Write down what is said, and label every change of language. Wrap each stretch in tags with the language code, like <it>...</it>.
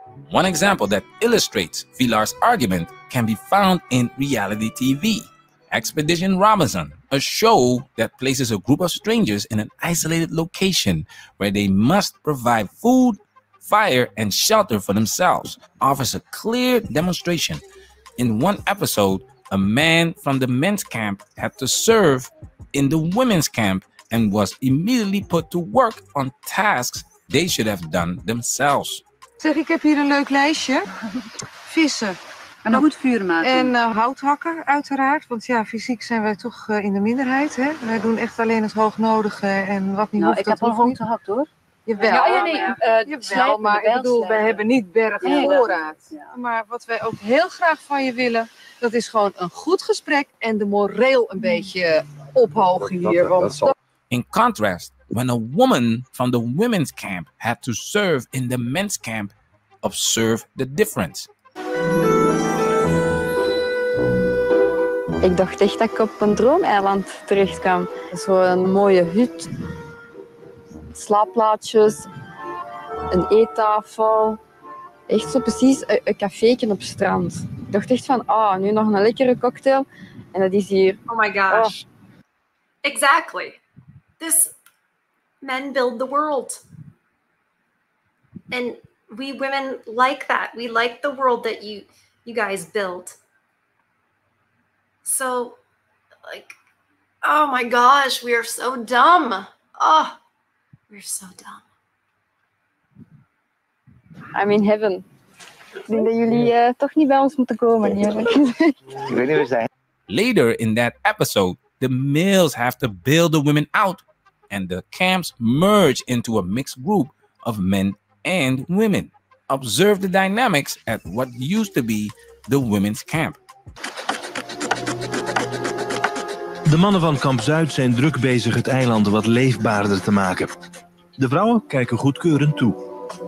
<en>One example that illustrates Vilar's argument can be found in reality TV, Expedition Ramazan, a show that places a group of strangers in an isolated location where they must provide food, fire, and shelter for themselves, offers a clear demonstration. In one episode, a man from the men's camp had to serve in the women's camp and was immediately put to work on tasks they should have done themselves.</en> <nl>Zeg, ik heb hier een leuk lijstje. Vissen. En dan moet vuur maken. En houthakken, uiteraard. Want ja, fysiek zijn wij toch in de minderheid. Hè? Wij doen echt alleen het hoognodige en wat niet hoeft. Nou, ik heb al houthakt, hoor. Jawel. Ik bedoel, wij hebben niet bergen voorraad. Ja. Maar wat wij ook heel graag van je willen, dat is gewoon een goed gesprek en de moreel een beetje ophogen hier.</nl> <en>In contrast, when a woman from the women's camp had to serve in the men's camp, observe the difference.</en> <nl>Ik dacht echt dat ik op een droomeiland terecht kwam. Zo'n mooie hut, slaapplaatsjes, een eettafel. Echt zo precies een caféje op het strand. Ik dacht echt van, ah, nu nog een lekkere cocktail. En dat is hier.</nl> <en>Oh my gosh. Oh. Exactly. This men build the world. And we women like that. We like the world that you guys build. So, like, oh my gosh, we are so dumb. Oh, we're so dumb. I'm in heaven.</en> <nl>Ik denk dat jullie toch niet bij ons moeten komen, eerlijk gezegd.</nl> <en>Later in that episode, the males have to build the women out, and the camps merge into a mixed group of men and women. Observe the dynamics at what used to be the women's camp.</en> <nl>De mannen van Kamp Zuid zijn druk bezig het eiland wat leefbaarder te maken. De vrouwen kijken goedkeurend toe.</nl>